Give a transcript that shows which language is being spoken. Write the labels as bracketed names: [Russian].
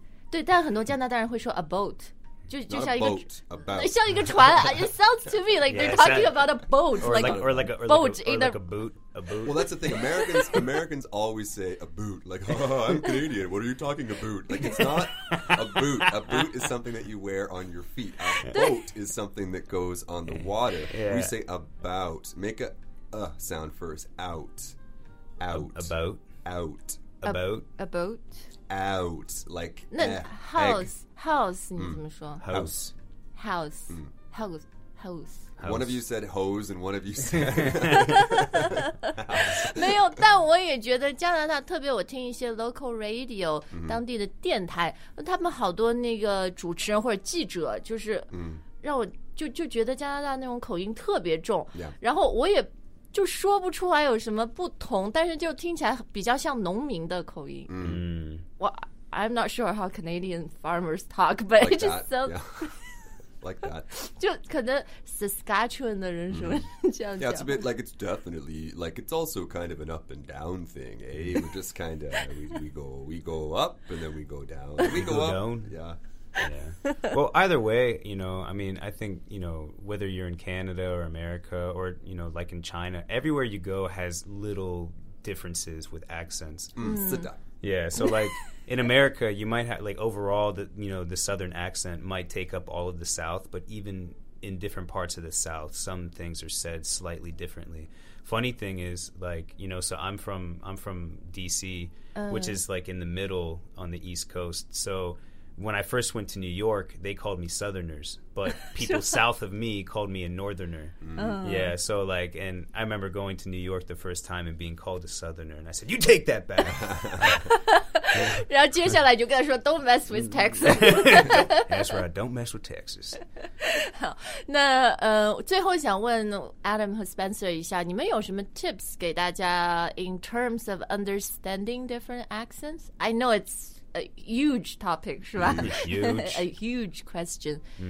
[Chinese] 对，但很多加拿大人会说 about. 就像一个船 [English] It sounds to me like they're talking about a boat Or like a boot. Well, that's the thing. Americans always say a boot. Like, oh, I'm Canadian. What are you talking about? Like, it's not a boot. A boot is something that you wear on your feet. A boat is something that goes on the water. We say about. Make a sound first. Out. Out. About. Out. About. A boat. Out. Like, house. Egg. [Chinese] House, 你怎么说? [English] House. House. House. hose. One of you said hose and one of you said [Chinese] 没有，但我也觉得加拿大特别，我听一些 [English] local radio、 [Chinese] mm-hmm. 当地的电台，他们好多那个主持人或者记者就是让我就觉得加拿大那种口音特别重、 [English] yeah. [Chinese] 然后我也就说不出来有什么不同，但是就听起来比较像农民的口音。嗯、 [English] well, I'm not sure how Canadian farmers talk, but like it just sounds、 yeah. like that. [Chinese] 就可能 Saskatchewan 的人什么、mm. 这样讲。 [English] Yeah, it's a bit like it's definitely like it's also kind of an up and down thing, eh? We just kind of we go up and then we go down. We go up, down. Yeah. Yeah. Well, either way, you know, I mean, I think, you know, whether you're in Canada or America or, you know, like in China, everywhere you go has little differences with accents. Mm. Yeah. So like in America, you might have like overall the, you know, the southern accent might take up all of the South. But even in different parts of the South, some things are said slightly differently. Funny thing is like, you know, so I'm from D.C., which is like in the middle on the East Coast. So. When I first went to New York, they called me Southerners, but people south of me called me a Northerner. Mm-hmm. Yeah, so like, and I remember going to New York the first time and being called a Southerner, and I said, you take that back. [Chinese] 然后接下来就跟他说 [English] don't mess with Texas. That's right, don't mess with Texas. [Chinese] 好，那最后想问 Adam 和 Spencer 一下，你们有什么 tips 给大家 [English] in terms of understanding different accents? I know it'sA huge topic, right? A huge question.